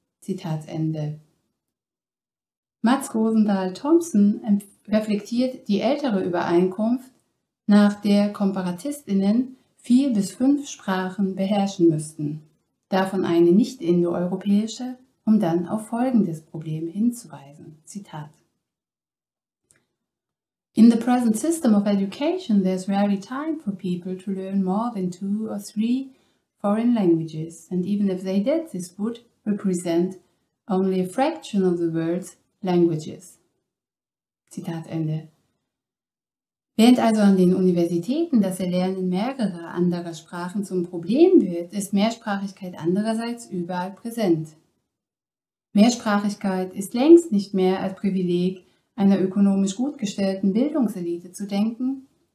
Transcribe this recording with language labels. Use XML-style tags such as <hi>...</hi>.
<de>Zitat Ende. Mads Rosendahl-Thomsen reflektiert die ältere Übereinkunft, nach der KomparatistInnen 4 bis 5 Sprachen beherrschen müssten, davon eine nicht-indoeuropäische, um dann auf folgendes Problem hinzuweisen. Zitat.</de> <en>In the present system of education, there's rarely time for people to learn more than 2 or 3 foreign languages, and even if they did, this would represent only a fraction of the world's languages.</en> <de>Zitat Ende. Während also an den Universitäten das Erlernen mehrerer anderer Sprachen zum Problem wird, ist Mehrsprachigkeit andererseits überall präsent. Mehrsprachigkeit ist längst nicht mehr als Privileg einer ökonomisch gut gestellten Bildungselite zu denken.</de>